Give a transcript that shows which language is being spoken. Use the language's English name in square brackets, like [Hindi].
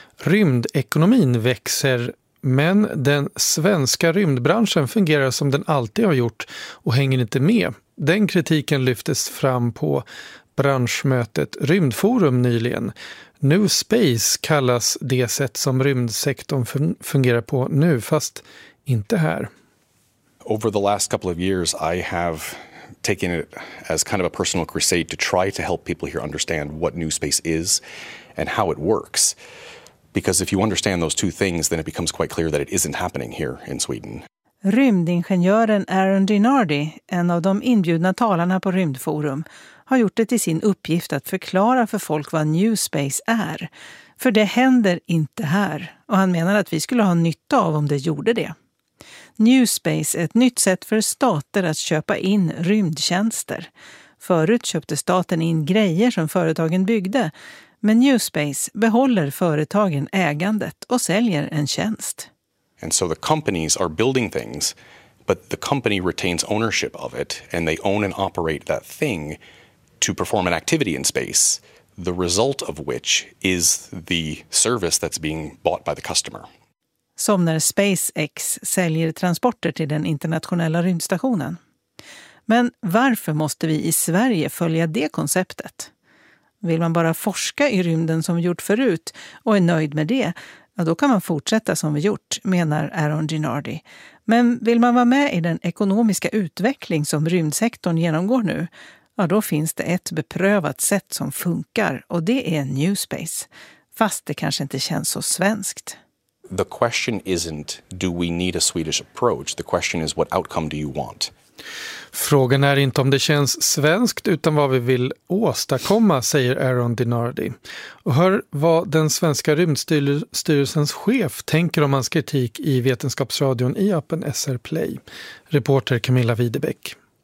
[Swedish] Rymdekonomin växer, men den svenska rymdbranschen fungerar som den alltid har gjort och hänger inte med. Den kritiken lyftes fram på branschmötet Rymdforum nyligen. New Space kallas det sätt som rymdsektorn fungerar på nu, fast inte här. [English] Over the last couple of years I have taken it as kind of a personal crusade to try to help people here understand what New Space is and how it works. Because if you understand those two things, then it becomes quite clear that it isn't happening here in Sweden. [Swedish] Rymdingenjören Aaron Dinardi, en av de inbjudna talarna på Rymdforum, har gjort det till sin uppgift att förklara för folk vad New Space är. För det händer inte här, och han menar att vi skulle ha nytta av om det gjorde det. New Space är ett nytt sätt för stater att köpa in rymdtjänster. Förut köpte staten in grejer som företagen byggde, men New Space behåller företagen ägandet och säljer en tjänst. [English] And so the companies are building things, but the company retains ownership of it and they own and operate that thing to perform an activity in space, the result of which is the service that's being bought by the customer. [Swedish] Som när SpaceX säljer transporter till den internationella rymdstationen. Men varför måste vi i Sverige följa det konceptet? Vill man bara forska i rymden som vi gjort förut och är nöjd med det, ja, då kan man fortsätta som vi gjort, menar Aaron Dinardi. Men vill man vara med i den ekonomiska utveckling som rymdsektorn genomgår nu, ja, då finns det ett beprövat sätt som funkar, och det är New Space. Fast det kanske inte känns så svenskt. [English] The question isn't do we need a Swedish approach? The question is what outcome do you want? [Swedish] Frågan är inte om det känns svenskt utan vad vi vill åstadkomma, säger Aaron Dinardi. Och hör vad den svenska rymdstyrelsens chef tänker om hans kritik i Vetenskapsradion i appen SR Play. Reporter Camilla Widebeck.